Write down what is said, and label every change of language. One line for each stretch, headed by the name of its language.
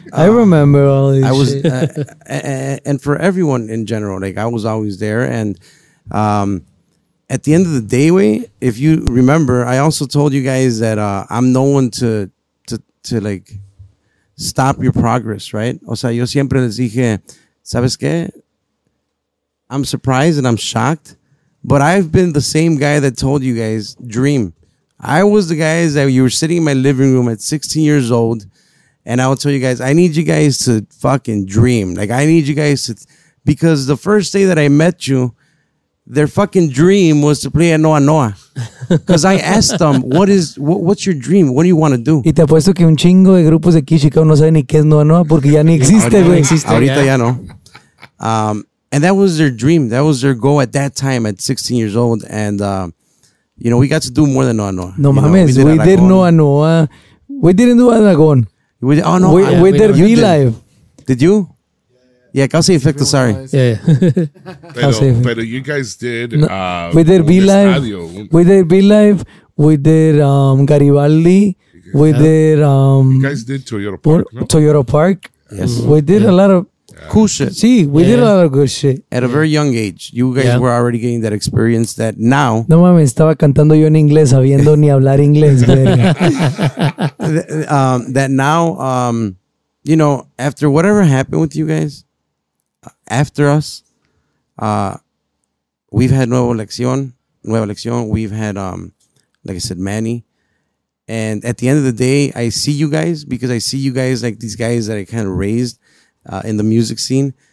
English: I remember all this. And for everyone in general, like I was always there. And at the end of the day, if you remember, I also told you guys that I'm no one to like stop your progress, right?
Spanish: O sea, yo siempre les dije, ¿sabes qué?
English: I'm surprised and I'm shocked, but I've been the same guy that told you guys dream. I was the guys that you were sitting in my living room at 16 years old, and I would tell you guys, I need you guys to fucking dream. Like, I need you guys to, because the first day that I met you, their fucking dream was to play a Noa Noa. Because I asked them, what's your dream? What do you want to do?
Spanish: Y te apuesto que un chingo de grupos de aquí, Chicago, no saben ni qué es Noa Noa, porque ya ni existe, güey. Ahorita ya no.
English: And that was their dream. That was their goal at that time at 16 years old. And, you know, we got to do more than Noa Noa.
Spanish: No mames,
English: we did Noa Noa. We didn't do Aragon. We did live. Did you? Yeah, Cal State Effect, sorry. Yeah. But you guys did. We did Be Live. We did Be Live. We did Garibaldi. We did. You guys did Toyota Park. Toyota Park. Yes. We did a lot of cool shit. See, we did a lot of good shit. At a very young age, you guys were already getting that experience that now.
Spanish: No mames, estaba cantando yo en inglés, sabiendo ni hablar inglés.
English: That now, you know, after whatever happened with you guys, after us, we've had Nueva Lección. We've had, like I said, Manny. And at the end of the day, I see you guys because I see you guys like these guys that I kind of raised in the music scene.